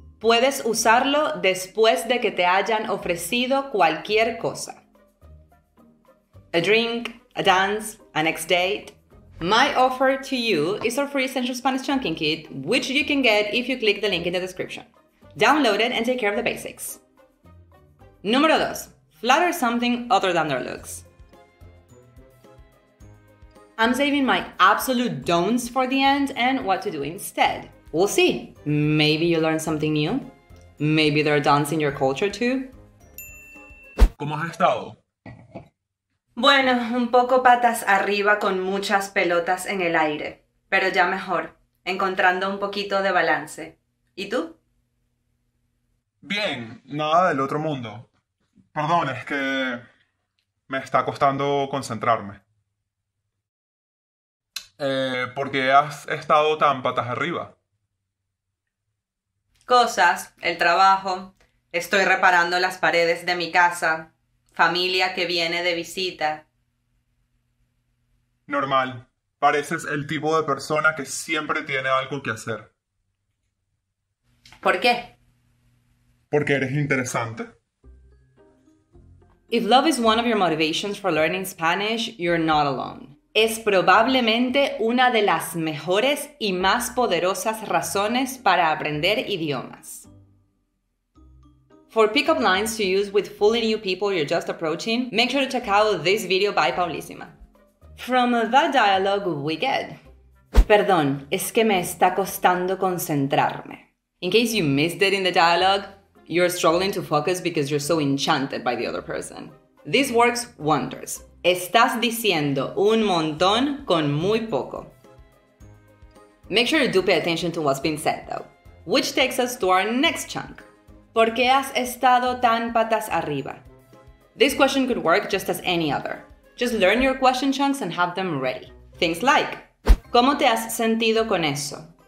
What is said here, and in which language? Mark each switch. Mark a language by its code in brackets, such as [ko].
[es] Puedes usarlo después de que te hayan ofrecido cualquier cosa. [en] A drink, a dance, a next date. My offer to you is our free Essential Spanish Chunking Kit, which you can get if you click the link in the description. Download it and take care of the basics. [es] Número 2. [en] Flatter something other than their looks. I'm saving my absolute don'ts for the end and what to do instead. We'll see. Maybe you learn something new. Maybe there are don'ts in your culture too. [es] ¿Cómo has estado? Bueno, un poco patas arriba con muchas pelotas en el aire, pero ya mejor, encontrando un poquito de balance. ¿Y tú? Bien, nada del otro mundo. Perdón, es que me está costando concentrarme. ¿Por qué has estado tan patas arriba? Cosas, el trabajo, estoy reparando las paredes de mi casa, familia que viene de visita. Normal, pareces el tipo de persona que siempre tiene algo que hacer. ¿Por qué? Porque eres interesante. [en] If love is one of your motivations for learning Spanish, you're not alone. [es] Es probablemente una de las mejores y más poderosas razones para aprender idiomas. [en] For pickup lines to use with fully new people you're just approaching, make sure to check out this video by Paulissima. From that dialogue we get. [es] Perdón, es que me está costando concentrarme. [en] In case you missed it in the dialogue, you're struggling to focus because you're so enchanted by the other person. This works wonders. [es] Estás diciendo un montón con muy poco. [en] Make sure you do pay attention to what's being said, though. Which takes us to our next chunk. [es] ¿Por qué has estado tan patas arriba? [en] This question could work just as any other. Just learn your question chunks and have them ready. Things like, [es] ¿cómo te has sentido con eso?